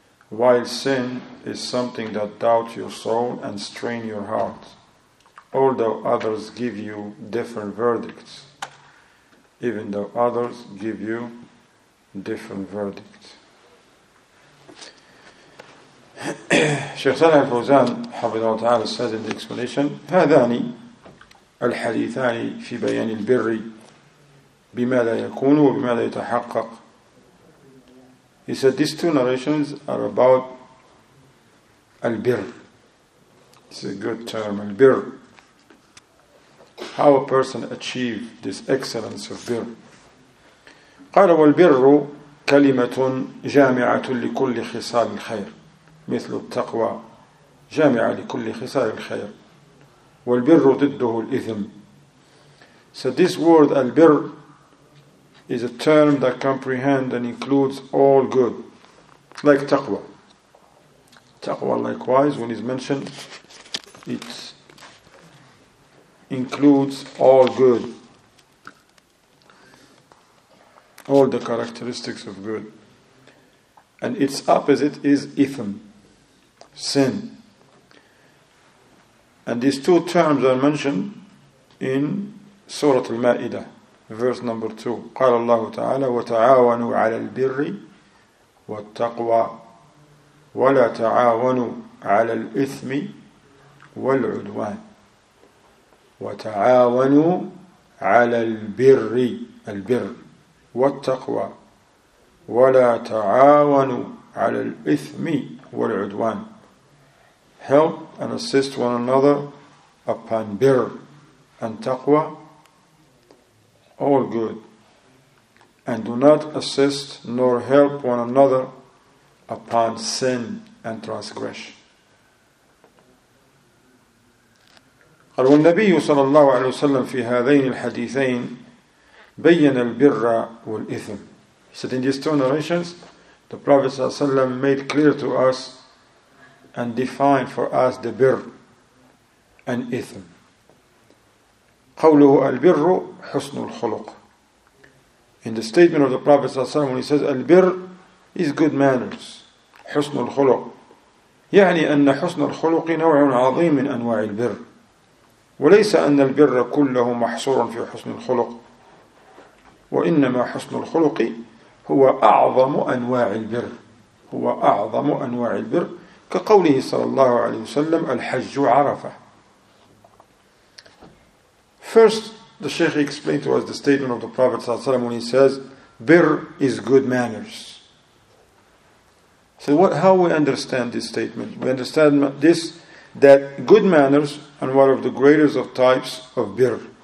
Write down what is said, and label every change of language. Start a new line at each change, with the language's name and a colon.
English: While sin is something that doubts your soul and strains your heart, although others give you different verdicts, even though others give you different verdicts. Sheikh Salih al-Fawzan, حفظه الله تعالى, said in the explanation,
Arabic: هذاني الحديثان في بيان البر بما لا يكون وبما لا يتحقق.
English: He said these two narrations are about al-birr. It's a good term, al-birr. How a person achieve this excellence of birr.
Arabic: قال والبر كلمة جامعة لكل خصال الخير مثل التقوى جامعة لكل خصال الخير والبر ضده الإثم.
English: So this word al-birr is a term that comprehends and includes all good, like taqwa. Taqwa likewise, when it's mentioned, it includes all good, all the characteristics of good. And its opposite is ithm, sin. And these two terms are mentioned in Surah Al-Ma'idah. Verse number 2.
Arabic: قال الله تعالى وتعاونوا على البر والتقوى ولا تعاونوا على الإثم والعدوان وتعاونوا على البر والتقوى ولا تعاونوا على الإثم والعدوان.
English: Help and assist one another upon birr and taqwa, all good. And do not assist nor help one another upon sin and transgression.
Arabic: قال والنبي صلى الله عليه وسلم في هذين الحديثين بين البر والإثم.
English: He said in these two narrations, the Prophet
Arabic: صلى الله عليه وسلم
English: made clear to us and defined for us the birr and ithm.
Arabic: قوله البر حسن الخلق.
English: In the statement of the Prophet
Arabic: صلى الله عليه وسلم,
English: when he says
Arabic: البر
English: is good manners,
Arabic: حسن الخلق, يعني أن حسن الخلق نوع عظيم من أنواع البر. وليس أن البر كله محصور في حسن الخلق, وإنما حسن الخلق هو أعظم أنواع البر, هو أعظم أنواع البر, كقوله صلى الله عليه وسلم الحج عرفة.
English: First, the Sheikh explained to us the statement of the Prophet
Arabic: صلى الله عليه وسلم
English: when he says, "Bir is good manners." So, how we understand this statement? We understand this that good manners are one of the greatest of types of bir.